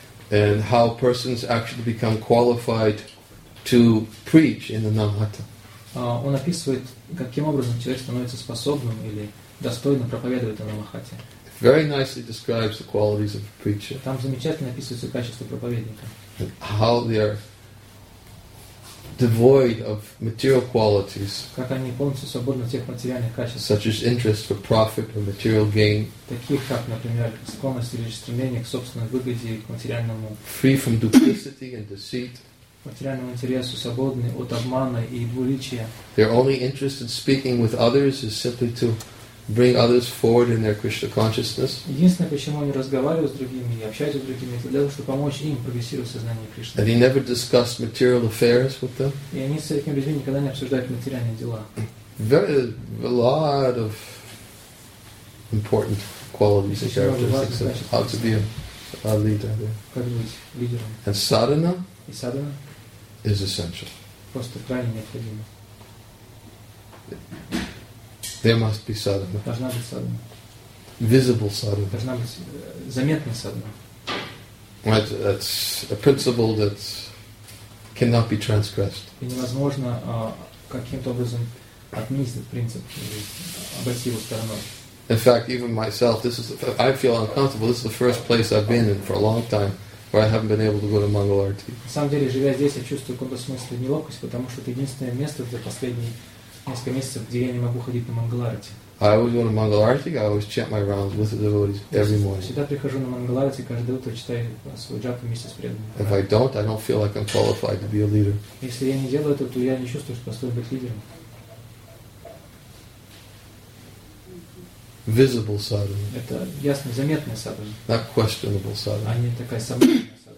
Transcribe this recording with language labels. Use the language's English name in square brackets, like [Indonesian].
[English] And how persons actually become qualified to preach in the Namhatta. [Russian] Он описывает, каким образом человек становится способным или достойным проповедовать на Намахатте. [English] Very nicely describes the qualities of a preacher. [Russian] Там замечательно описывается качество проповедника. [English] And how they are devoid of material qualities. [Russian] Как они полностью свободны от тех материальных качеств. [English] Such as interest for profit or material gain. [Russian] Таких как, например, склонность или стремление к собственной выгоде и к материальному. [English] Free from duplicity and deceit. [Russian] Материальному интересу свободны от обмана и двуличия. [English] Their only interest in speaking with others is simply to bring others forward in their Krishna consciousness. [Russian] Единственное, почему они разговаривают с другими и общаются с другими, это для того, чтобы помочь им прогрессировать в сознании Кришны. [English] And he never discussed material affairs with them. [Russian] И они с этими людьми никогда не обсуждают материальные дела. [English] Very, a lot of important qualities and characteristics of how to be a leader. [Russian] Как быть лидером? [English] And sadhana. [Russian] И sadhana [English] is essential. [Russian] Просто крайне необходимо. [English] There must be sadhana. [Russian] Должна быть sadhana. [English] Visible sadhana. [Russian] Должна быть заметная sadhana. [English] Right, that's a principle that cannot be transgressed. [Russian] И невозможно каким-то образом отменить этот принцип, обойти его стороной. [English] In fact, even myself, I feel uncomfortable. This is the first place I've been in for a long time where I haven't been able to go to Mangal Arati. [Russian] На самом деле, живя здесь, я чувствую в каком-то смысле неловкость, потому что это единственное место за последние несколько месяцев, где я не могу ходить на Мангаларти. [English] I always go to Mangalarti. I always chant my rounds with the devotees every morning. [Russian] Всегда прихожу на Мангаларти, каждое утро читаю свой джапу вместе с преданными. [English] If I don't, I don't feel like I'm qualified to be a leader. [Russian] Если я не делаю это, то я не чувствую, что способен быть лидером. [English] Visible sadhana. [Russian] Это ясно заметная sadhana. [English] Not questionable sadhana. [Russian] А не такая сомнительная.